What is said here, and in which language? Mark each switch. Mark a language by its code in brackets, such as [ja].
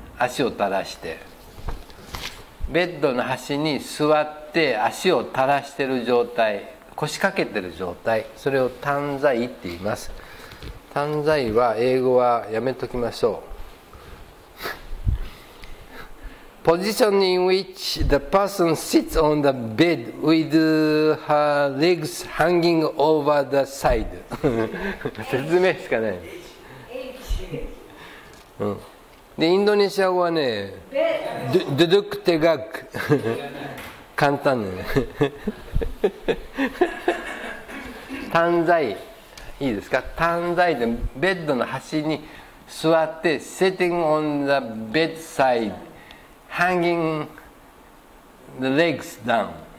[ja] 足を垂らして、ベッドの端に座って足を垂らしている状態、腰掛けてる状態、それを単座位って言います。単座位は英語はやめときましょう。 [en] Position in which the person sits on the bed with her legs hanging over the side. [ja] 説明しかない。でインドネシア語はね、ドゥドゥクテガク。簡単ね。単材、いいですか？単材でベッドの端に座って、 [en] sitting on the bedside hanging the legs down。